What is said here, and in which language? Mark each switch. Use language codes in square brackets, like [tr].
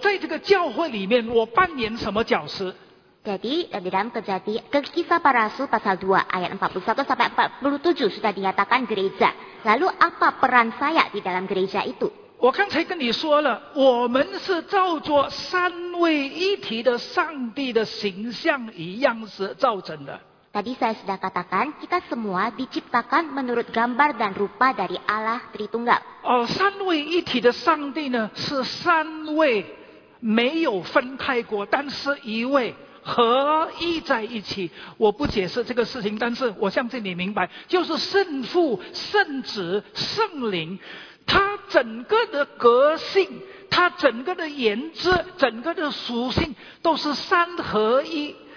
[zh] 使徒行传第二章41到47节，我在这个教会里面，我扮演什么角色？ [id] Jadi di dalam kisah para rasul pasal 2 ayat 41 sampai 47 sudah dinyatakan gereja. Lalu apa peran saya di dalam gereja itu? [zh] 我刚才跟你说了，我们是照着三位一体的上帝的形象一样是造成的。 [id] Tadi saya sudah katakan kita semua diciptakan menurut gambar dan rupa dari Allah Tritunggal. [zh] Oh, 三位一体的上帝呢，是三位没有分开过，但是一位合一在一起。我不解释这个事情，但是我相信你明白，就是圣父、圣子、圣灵，他整个的个性、他整个的原则、整个的属性都是三合一。